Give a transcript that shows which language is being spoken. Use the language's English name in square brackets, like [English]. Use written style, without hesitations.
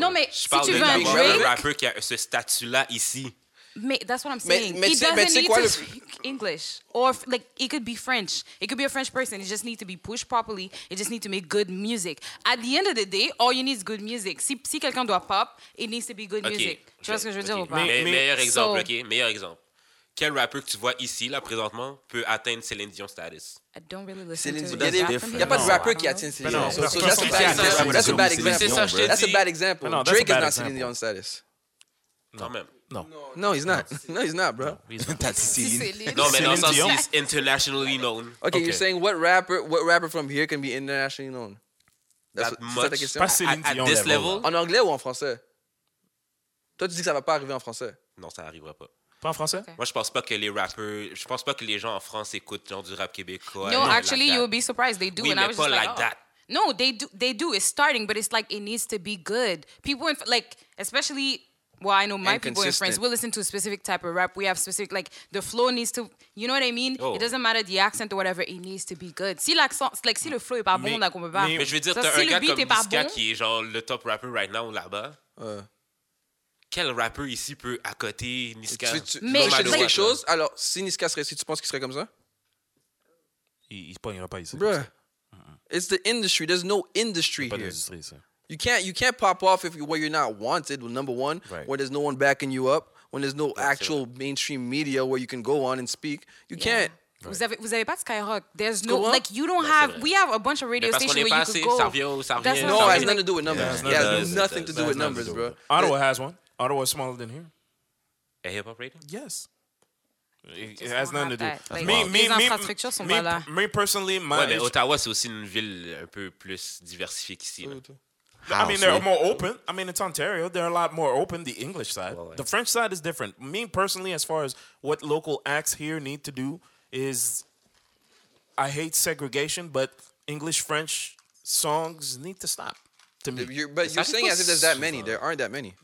[French] Non mais si tu veux un rappeur qui a ce statut là ici. [English] Mais that's what I'm saying. He doesn't need to speak English. Or, like, it could be French. It could be a French person. It just needs to be pushed properly. It just needs to make good music. At the end of the day, all you need is good music. [French] Si quelqu'un doit pop, [English] it needs to be good music. [French] Tu vois ce que je veux dire ou pas? Meilleur exemple. Quel rappeur que tu vois ici, là, présentement, peut atteindre Céline Dion status? [English] I don't really listen Céline Dion. [French] Il n'y a pas de rappeur qui atteint Céline Dion. [English] That's a bad example. That's a bad example. Drake is not Céline Dion status. [French] Quand même. [English] No, he's not, bro. No, that's Céline. No, man, Céline Dion is internationally known. Okay, you're saying what rapper from here can be internationally known? At this level? [French] En anglais ou en français? Toi, tu dis que ça va pas arriver en français. Non, ça arrivera pas. Pas en français? Okay. Moi, je pense pas que les rappers, je pense pas que les gens en France écoutent genre du rap québécois. [English] No, actually, like you'll be surprised. They do, [French] oui, [English] and I was just like, that. No, they do. It's starting, but it's like it needs to be good. People, especially Well, I know my people in France, we listen to a specific type of rap. We have specific, like, the flow needs to, you know what I mean? Oh. It doesn't matter the accent or whatever, it needs to be good. [French] Si l'accent, like, si le flow est pas bon, là, qu'on peut pas. Mais je veux dire, t'as un gars comme Niska qui est genre le top rapper [English] right now [French] là-bas. Quel rappeur ici peut accoter Niska? Mais je sais quelque chose, alors, si Niska serait ici, tu penses qu'il serait comme ça? Il pognera pas ici. [English] Bruh, it's the industry, there's no industry here. [French] Pas d'industrie, ça. [English] You can't pop off if you, where you're not wanted, number one, right. Where there's no one backing you up, when there's no actual mainstream media where you can go on and speak. You can't. [French] Right. Vous avez pas Skyrock. [English] There's no, like, you don't have, we have a bunch of radio stations where you could go. No, it has nothing to do with numbers. Yeah, it has nothing to do with numbers, bro. Ottawa has one. Ottawa is smaller than here. A hip-hop radio? Yes. It has nothing to do. Me personally, my... [French] Ouais, mais Ottawa, c'est aussi une ville un peu plus diversifiée qu'ici. [English] House, I mean, they're more open. I mean, it's Ontario. They're a lot more open, the English side. Well, yeah. The French side is different. Me, personally, as far as what local acts here need to do is, I hate segregation, but English-French songs need to stop, to me. You're saying as if there's that many. There aren't that many.